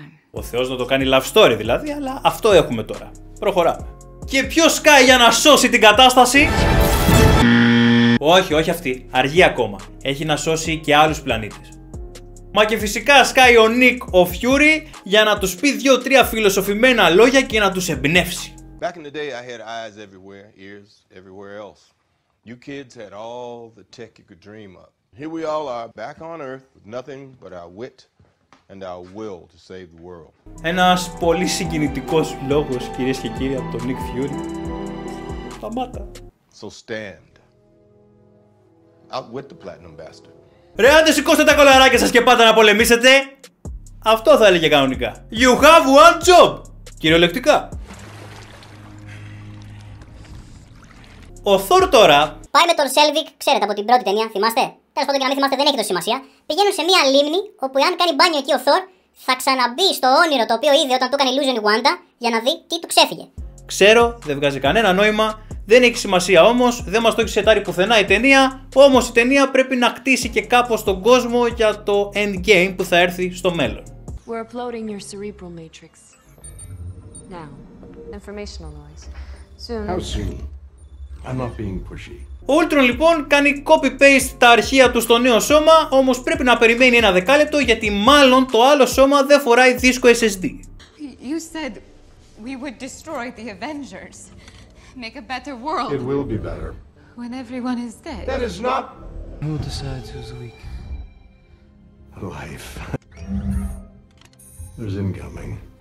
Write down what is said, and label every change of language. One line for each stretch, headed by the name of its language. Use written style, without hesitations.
Greek: Ο Θεός να το κάνει love story δηλαδή, αλλά αυτό έχουμε τώρα. Προχωράμε. Και ποιος σκάει για να σώσει την κατάσταση? Όχι, όχι αυτή. Αργεί ακόμα. Έχει να σώσει και άλλους πλανήτες. Μα και φυσικά σκάει ο Nick ο Fury για να τους πει 2-3 φιλοσοφημένα λόγια και να τους εμπνεύσει.
English: Back in the day I had eyes everywhere, ears everywhere else. You kids had all the tech you could dream up. Here we all are back on earth with nothing but our wit and our will to save the world.
Greek: Ένας πολύ συγκινητικός λόγος, κυρίες και κύριοι, από τον Nick Fury. Σταμάτα.
English: So stand. Outwit the platinum bastard.
Greek: Ρε άντε σηκώστε τα κολαράκια σας και πάτε να πολεμήσετε! Αυτό θα έλεγε κανονικά.
English: You have one job!
Greek: Κυριολεκτικά. Ο Thor τώρα πάει με τον Selvig, ξέρετε από την πρώτη ταινία, θυμάστε? Τέλος πάντων και να μην θυμάστε δεν έχει το σημασία. Πηγαίνουν σε μια λίμνη όπου αν κάνει μπάνιο εκεί ο Thor θα ξαναμπεί στο όνειρο το οποίο είδε όταν του έκανε illusion η Wanda για να δει τι του ξέφυγε. Ξέρω, δεν βγάζει κανένα νόημα. Δεν έχει σημασία όμως, δεν μας το έχει σετάρει πουθενά η ταινία, όμως η ταινία πρέπει να κτίσει και κάπως τον κόσμο για το endgame που θα έρθει στο μέλλον.
English: We're uploading your cerebral matrix. Now, informational noise. Soon. How soon? I'm not being pushy.
Greek: Ο Ultron λοιπόν κάνει copy-paste τα αρχεία του στο νέο σώμα, όμως πρέπει να περιμένει ένα δεκάλεπτο γιατί μάλλον το άλλο σώμα δεν φοράει δίσκο SSD.
English: You said we would destroy the Avengers. Make a better world. It will be better. When everyone is dead. That is not... Who decides who's weak? Life. There's incoming.